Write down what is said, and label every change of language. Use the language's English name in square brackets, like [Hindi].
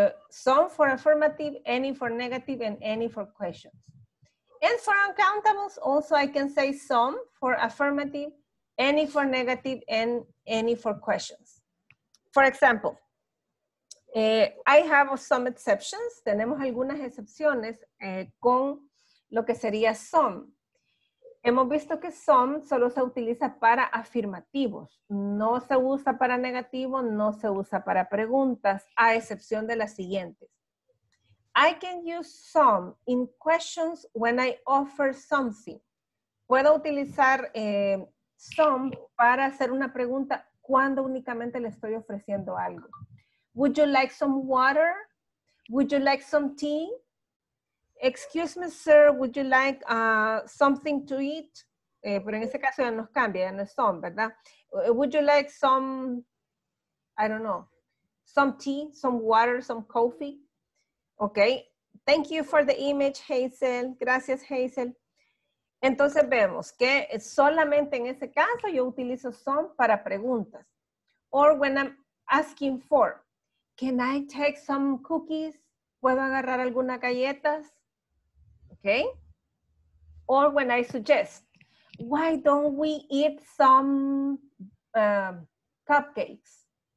[English] Some for affirmative, any for negative, and any for questions. And for uncountables, also I can say some for affirmative, any for negative, and any for questions. For example, I have some exceptions. [Spanish] Tenemos algunas excepciones con lo que sería some. Hemos visto que some solo se utiliza para afirmativos. No se usa para negativo, no se usa para preguntas, a excepción de las siguientes. [English] I can use some in questions when I offer something. [Spanish] Puedo utilizar some para hacer una pregunta cuando únicamente le estoy ofreciendo algo. [English] Would you like some water? Would you like some tea? Excuse me, sir, would you like something to eat? [Spanish] Pero en ese caso ya nos cambia, ya no es some, ¿verdad? [English] Would you like some, I don't know, some tea, some water, some coffee? Okay, thank you for the image, Hazel. [Spanish] Gracias, [English] Hazel. [Spanish] Entonces vemos que solamente en ese caso yo utilizo some para preguntas. [English] Or when I'm asking for, can I take some cookies? [Spanish] ¿Puedo agarrar algunas galletas? [English] Okay, or when I suggest, why don't we eat some cupcakes?